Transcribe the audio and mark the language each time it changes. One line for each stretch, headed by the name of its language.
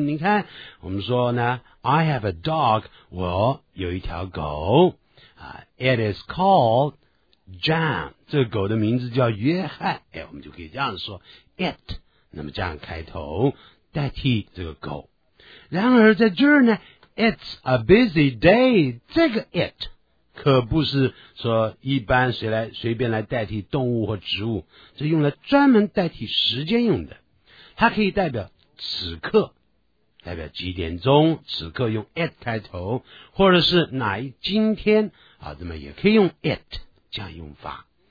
Chinese: 你看我们说呢
English: I have a dog，
Chinese: 我有一条狗。
English: It is called John.
Chinese: 这个狗的名字叫约翰。哎，我们就可以这样说 it。那么这样开头代替这个狗。然而在这儿呢 ，
English: It's a busy day。
Chinese: 这个 it 可不是说一般谁来随便来代替动物或植物，是用来专门代替时间用的。它可以代表此刻，代表几点钟，此刻用 it 开头，或者是哪一今天啊，那么也可以用 it 这样用法。